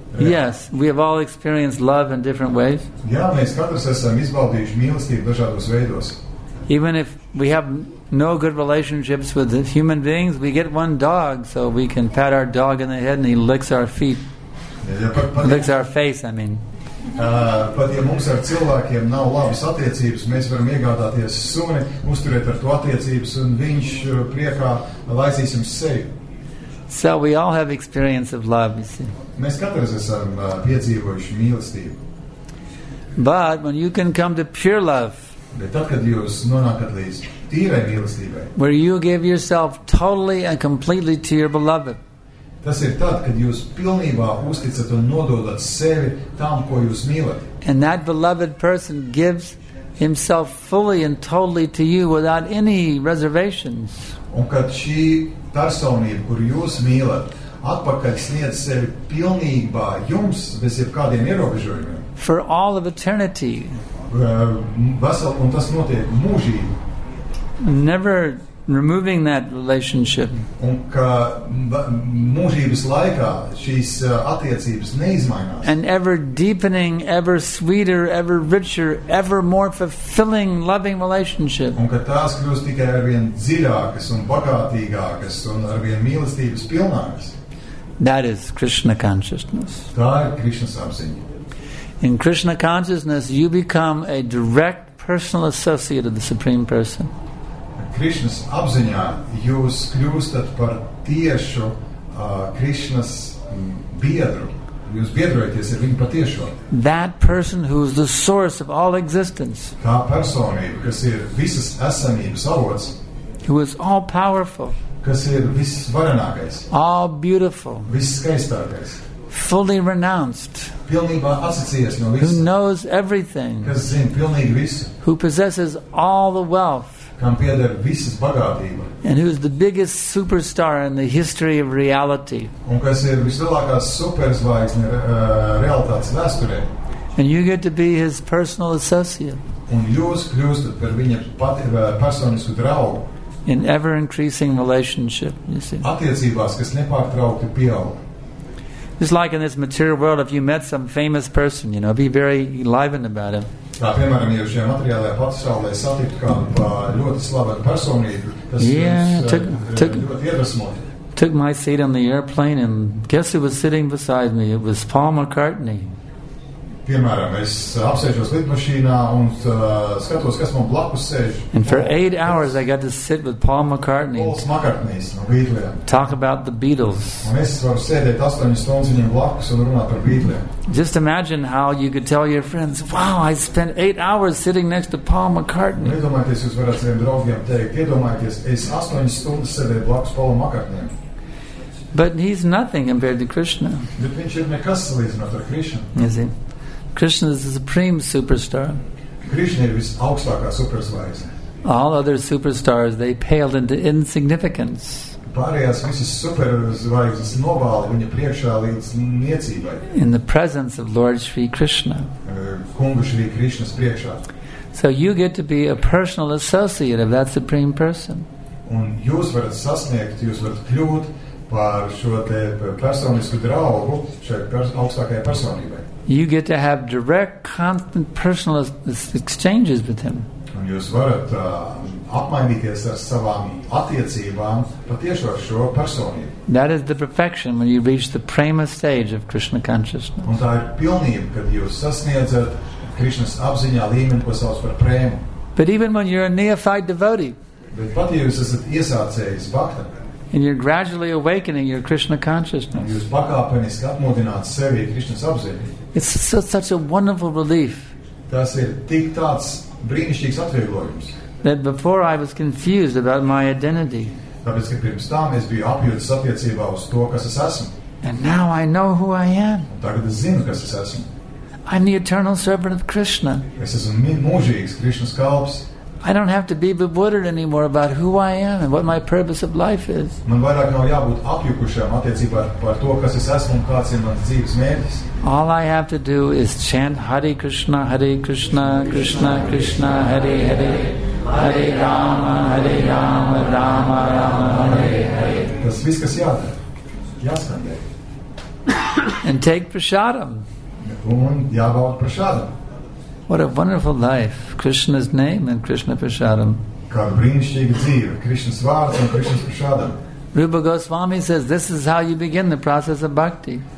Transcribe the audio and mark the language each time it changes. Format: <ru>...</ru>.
<en>Yes, we have all experienced love in different ways.</en> <lv>Jā, mēs katrs esam izbaudījuši mīlestību dažādos veidos.</lv> <en>Even if we have no good relationships with human beings, we get one dog so we can pat our dog in the head and he licks our feet. Licks our face, I mean.</en> <lv>Pat ja mums ar cilvēkiem nav labas attiecības, mēs varam iegādāties suni, uzturēt ar to attiecības un viņš priekā laizīs jums seju.</lv> <en>So we all have experience of love, you see.</en> <lv>Mēs katrs esam piedzīvojuši mīlestību.</lv> <en>But when you can come to pure love,</en> <lv>bet tad, kad jūs nonākat līdz tīrai mīlestībai,</lv> <en>where you give yourself totally and completely to your beloved,</en> <lv>tas ir tad, kad jūs pilnībā uzticat un nododat sevi tam, ko jūs mīlat.</lv> <en>And that beloved person gives himself fully and totally to you without any reservations.</en> <lv>Un kad šī personība, kur jūs mīlat, atpakaļ sniedz sevi pilnībā jums bez jebkādiem ierobežojumiem.</lv> <en>For all of eternity.</en> <lv>Vesel, un tas notiek mūžīgi.</lv> <en>Never removing that relationship.</en> <lv>Un ka mūžības laikā šīs attiecības neizmainās.</lv> <en>And ever deepening, ever sweeter, ever richer, ever more fulfilling, loving relationship.</en> <lv>Un ka tās kļūst tikai arvien dziļākas un bagātīgākas un arvien mīlestības pilnākas.</lv> <en>That is Krishna consciousness.</en> <lv>Tā ir Krishna apziņa.</lv> <en>In Krishna consciousness, you become a direct personal associate of the Supreme Person.</en> <lv>Krišnas apziņā jūs kļūstat par tiešu Krišnas biedru. Jūs biedrojaties ar viņu patiešo.</lv> <en>That person who is the source of all existence.</en> <lv>Tā personība, kas ir visas esamības avots.</lv> <en>Who is all powerful.</en> <lv>Kas ir visvarenākais.</lv> <en>All beautiful.</en> <lv>Visskaistākais.</lv> <en>Fully renounced.</en> <lv>Pilnībā atsacījies no visu.</lv> <en>Who knows everything.</en> <lv>Kas zina pilnīgi visu.</lv> <en>Who possesses all the wealth.</en> <lv>kam pieder visas bagātība.</lv> <en>And who is the biggest superstar in the history of reality.</en> <lv>Un kas ir vislielākā superzvaigzne realitātes vēsturē.</lv> <en>And you get to be his personal associate.</en> <lv>Un jūs kļūstat par viņa personisku draugu.</lv> <en>In ever-increasing relationship, you see.</en> <lv>Attiecībās, kas nepārtraukti pieaug.</lv> <en>Just like in this material world, if you met some famous person, you know, be very enlivened about him.</en> <lv>Tā, piemēram, ja šajā materiālē pasaulē satiktu kādu ļoti slavenu personību, tas yeah, jums ļoti iedvesmot.</lv> <en>Took my seat on the airplane, and guess who was sitting beside me? It was Paul McCartney.</en> <lv>Piemēram, es apsēžos lidmašīnā un skatos, kas man blakus sēž.</lv> <en>And for 8 hours I got to sit with Paul McCartney.</en> <lv>Pauls McCartneys no Beatles.</lv> <en>Talk about the Beatles.</en> <lv>Un es varu sēdēt 8 stundas viņam blakus un runāt par Beatles.</lv> <en>Just imagine how you could tell your friends, wow, I spent 8 hours sitting next to Paul McCartney.</en> <lv>Un iedomājieties, jūs varat saviem draugiem teikt, iedomājieties, es 8 stundas sēdēju blakus Paul McCartney.</lv> <en>But he's nothing compared to Krishna.</en> <lv>Bet viņš ir nekas salīdzināt ar Krishna.</lv> <en>Is he? Krishna is the supreme superstar.</en> <lv>Krishna ir visaugstākā superzvaigzne.</lv> <en>All other superstars, they paled into insignificance.</en> <lv>Pārējās visas superzvaigznes novāla viņa priekšā līdz niecībai.</lv> <en>In the presence of Lord Shri Krishna.</en> <lv>Kunga Shri Krishnas priekšā.</lv> <en>So you get to be a personal associate of that supreme person.</en> <lv>Un jūs varat sasniegt, jūs varat kļūt par šo te personisku draugu šai augstākajai personībai.</lv> <en>You get to have direct, constant, personal exchanges with him.</en> <lv>Un jūs varat apmainīties ar savām attiecībām patiešām ar šo personību.</lv> <en>That is the perfection when you reach the prema stage of Krishna consciousness.</en> <lv>Un tā ir pilnība, kad jūs sasniedzat Krishnas apziņā līmeni, ko sauc par prēmu.</lv> <en>But even when you're a neophyte devotee.</en> <lv>Bet pat ja jūs esat iesācējis bhakta.</lv> <en>And you're gradually awakening your Krishna consciousness.</en> <lv>Jūs pakāpeniski atmodināt sevi Krishnas apziņu.</lv> <en>It's such a wonderful relief.</en> <lv>Tas ir tik tāds brīnišķīgs atvieglojums.</lv> <en>That before I was confused about my identity.</en> <lv>Tāpēc, ka pirms tam es biju apjūts attiecībā uz to, kas es esmu.</lv> <en>And now I know who I am.</en> <lv>Un tagad es zinu, kas es esmu.</lv> <en>I'm the eternal servant of Krishna.</en> <lv>Es esmu mūžīgs Krishnas kalps.</lv> <en>I don't have to be bewildered anymore about who I am and what my purpose of life is.</en> <lv>Man vairāk nav jābūt apjukušam attiecībā par to, kas es esmu un kāds ir mans dzīves mērķis.</lv> <en>All I have to do is chant</en> <sa>Hare Krishna, Hare Krishna, Krishna Krishna, Hare Hare, Hare Rama, Hare Rama, Rama Rama, Hare Hare.</sa> <lv>Tas viss, kas jāskandē.</lv> <en>And take prasadam.</en> <lv>Un jābaut prasadam.</lv> <en>What a wonderful life, Krishna's name and Krishna prasadam.</en> <lv>Kāda brīnišķīga dzīve, Krishna's vārds un Krishna's prasadam.</lv> <en>Rupa Goswami says, this is how you begin the process of bhakti.</en>